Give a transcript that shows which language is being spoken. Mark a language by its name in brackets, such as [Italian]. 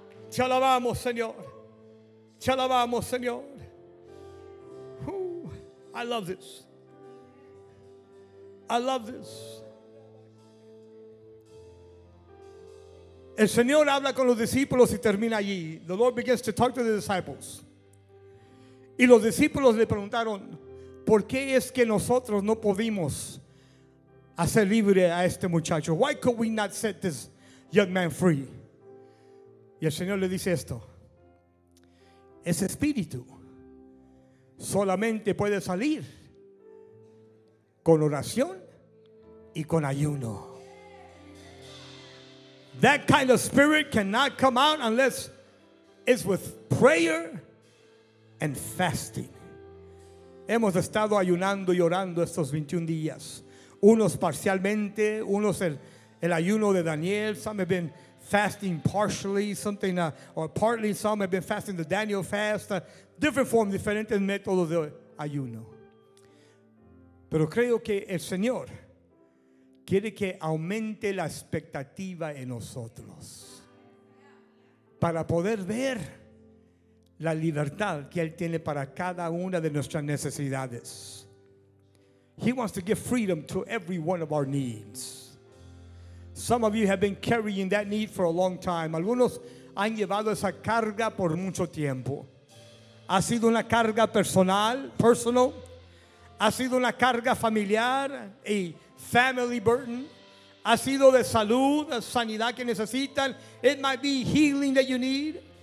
[Spanish] Te alabamos, Señor. Te alabamos, Señor. [English] I love this. I love this. [Spanish] El Señor habla con los discípulos y termina allí. [English] The Lord begins to talk to the disciples. [Spanish] Y los discípulos le preguntaron, ¿por qué es que nosotros no pudimos hacer libre a este muchacho? [English] Why could we not set this young man free? [Spanish] Y el Señor le dice esto. Ese espíritu solamente puede salir con oración y con ayuno. [English] That kind of spirit cannot come out unless it's with prayer and fasting. [Spanish] Hemos estado ayunando y orando estos 21 días. Unos parcialmente, unos el ayuno de Daniel. [English] Some have been fasting partially, something or partly. Some have been fasting the Daniel fast. Different forms, [Spanish] diferentes métodos de ayuno. Pero creo que el Señor quiere que aumente la expectativa en nosotros para poder ver la libertad que Él tiene para cada una de nuestras necesidades. [English] He wants to give freedom to every one of our needs. Some of you have been carrying that need for a long time. [Spanish] Algunos han llevado esa carga por mucho tiempo. Ha sido una carga personal, personal. Ha sido una carga familiar, [English] a family burden. [Spanish] Ha sido de salud, de sanidad que necesitan. [English] It might be healing that you need.